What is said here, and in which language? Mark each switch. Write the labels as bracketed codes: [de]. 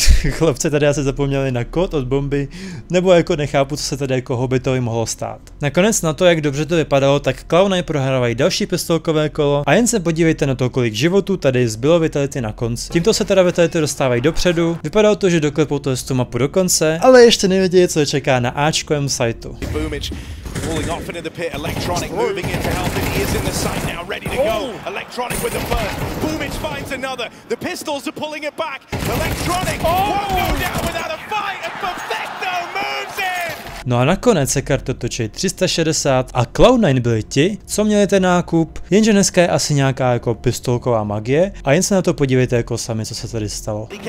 [cs] Chlapci tady asi zapomněli na kód od bomby, nebo jako nechápu, co se tady jako Hobbitovi mohlo stát. Nakonec na to, jak dobře to vypadalo, tak Cloud9 prohrávají další pistolkové kolo a jen se podívejte na to, kolik životů tady zbylo Vitality na konci. Tímto se teda Vitality dostávají dopředu, vypadalo to, že doklepou to z tu mapu do konce, ale ještě nevědějí, co je čeká na Ačkovém sajtu. [en] Pulling off into the pit, Electronic moving into help, and he is in the sight now, ready to go. Electronic with the first, Boomich finds another, the pistols are pulling it back, Electronic won't go down without a fight, and Perfecto moves in! [cs] No a nakonec se karty točí 360 a Cloud9 byli ti, co měli ten nákup, jenže dneska je asi nějaká jako pistolková magie a jen se na to podívejte jako sami, co se tady stalo.